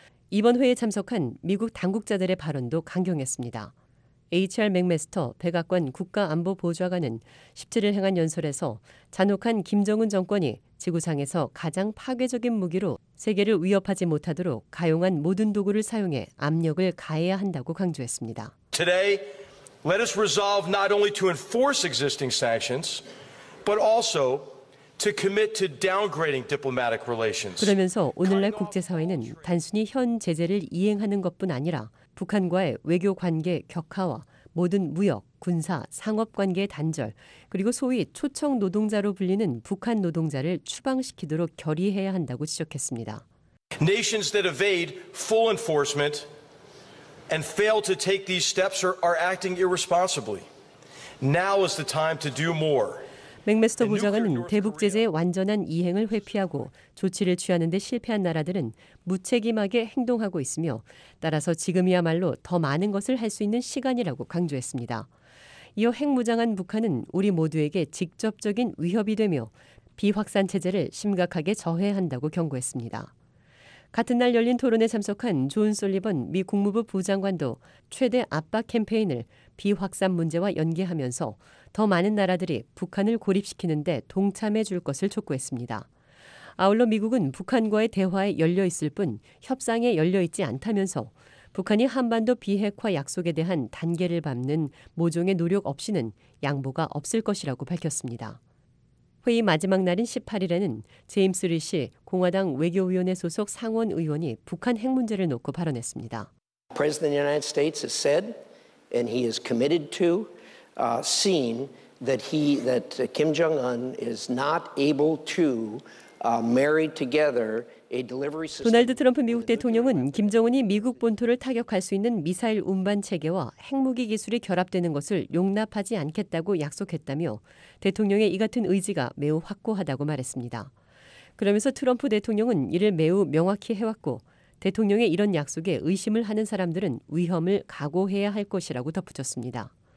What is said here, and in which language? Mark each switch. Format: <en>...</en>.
<ko>이번 회의에 참석한 미국 당국자들의 발언도 강경했습니다. H.R. 맥메스터 백악관 국가안보보좌관은 17일 행한 연설에서 잔혹한 김정은 정권이 지구상에서 가장 파괴적인 무기로 세계를 위협하지 못하도록 가용한 모든 도구를 사용해 압력을 가해야 한다고 강조했습니다.</ko> <en>Today, let us resolve not only to enforce existing sanctions, but also to commit to downgrading diplomatic relations.</en> <ko>그러면서 오늘날 국제사회는 단순히 현 제재를 이행하는 것뿐 아니라 북한과의 외교 관계 격화와 모든 무역, 군사, 상업 관계 단절, 그리고 소위 초청 노동자로 불리는 북한 노동자를 추방시키도록 결의해야 한다고 지적했습니다.</ko> <en>Nations that evade full enforcement and fail to take these steps are acting irresponsibly. Now is the time to do more.</en> <ko>맥메스터 부장은 대북 제재의 완전한 이행을 회피하고 조치를 취하는 데 실패한 나라들은 무책임하게 행동하고 있으며 따라서 지금이야말로 더 많은 것을 할 수 있는 시간이라고 강조했습니다. 이어 핵무장한 북한은 우리 모두에게 직접적인 위협이 되며 비확산 체제를 심각하게 저해한다고 경고했습니다. 같은 날 열린 토론에 참석한 존 솔리번 미 국무부 부장관도 최대 압박 캠페인을 비확산 문제와 연계하면서 더 많은 나라들이 북한을 고립시키는 데 동참해 줄 것을 촉구했습니다. 아울러 미국은 북한과의 대화에 열려 있을 뿐 협상에 열려 있지 않다면서 북한이 한반도 비핵화 약속에 대한 단계를 밟는 모종의 노력 없이는 양보가 없을 것이라고 밝혔습니다. 회의 마지막 날인 18일에는 제임스 리시 공화당 외교위원회 소속 상원 의원이 북한 핵 문제를 놓고 발언했습니다.</ko> <en>President of the United States has said and he is committed to seeing that Kim Jong Un is not able to marry together a delivery system.</en> <ko>도널드 트럼프 미국 대통령은 김정은이 미국 본토를 타격할 수 있는 미사일 운반 체계와 핵무기 기술이 결합되는 것을 용납하지 않겠다고 약속했다며 대통령의 이 같은 의지가 매우 확고하다고 말했습니다. 그러면서 트럼프 대통령은 이를 매우 명확히 해왔고 대통령의 이런 약속에 의심을 하는 사람들은 위험을 각오해야 할 것이라고 덧붙였습니다.</ko>